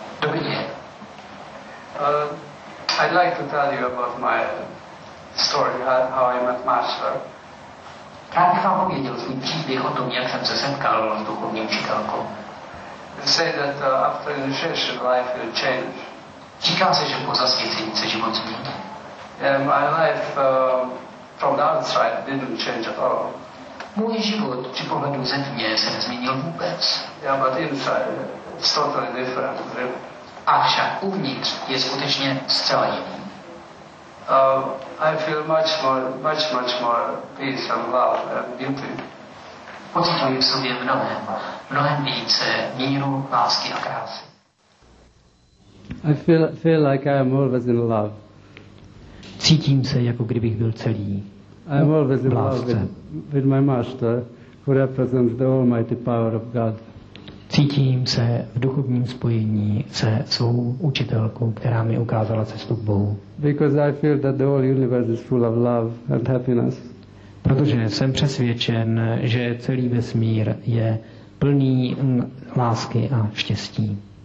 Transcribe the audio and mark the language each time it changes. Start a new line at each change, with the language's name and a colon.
English: I'd like to tell you about my story, how I met Master.
Czech: Tam chápu, je to ten příběh o tom, jak jsem se setkal s duchovní učitelkou.
English: Say that after the church life will change.
Czech: Říká se, že po zasvěcení se život změní.
English: My life from the outside didn't change at all.
Czech: Můj život při pohledu zevně se nezměnil vůbec.
English: Yeah, but inside it's totally different.
Czech: Avšak uvnitř je skutečně zcela jiný.
English: I feel much more peace and love and beauty.
Czech: Pocituji v sobě mnohem, mnohem více míru, lásky a krásy.
English: I feel like I am always in love.
Czech: Cítím se, jako kdybych byl celý.
English: I am always in love with my master, who represents the almighty power of God.
Czech: Cítím se v duchovním spojení se svou učitelkou, která mi ukázala cestu k Bohu.
English: Because I feel that the whole universe is full of love and happiness.
Czech: Protože jsem přesvědčen, že celý vesmír je plný lásky a štěstí.